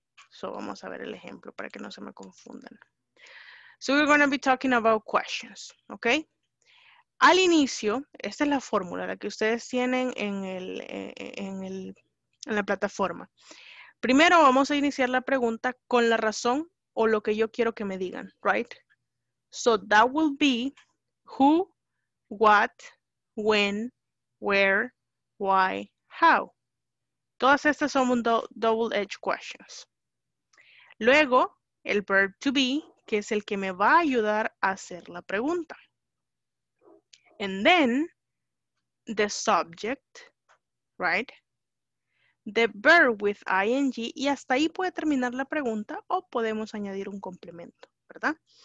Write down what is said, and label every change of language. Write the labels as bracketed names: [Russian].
[Spanish] So, vamos a ver el ejemplo para que no se me confundan. [English] So, we're going to be talking about questions, [Spanish] ¿ok? Al inicio, esta es la fórmula, la que ustedes tienen en la plataforma. Primero vamos a iniciar la pregunta con la razón o lo que yo quiero que me digan, ¿right? [English] So, that will be who, what, when, where, why, how. [Spanish] Todas estas son double-edged questions. Luego, el verb to be, que es el que me va a ayudar a hacer la pregunta. [English] And then, the subject, right? The verb with ing, [Spanish] y hasta ahí puede terminar la pregunta o podemos añadir un complemento, ¿verdad?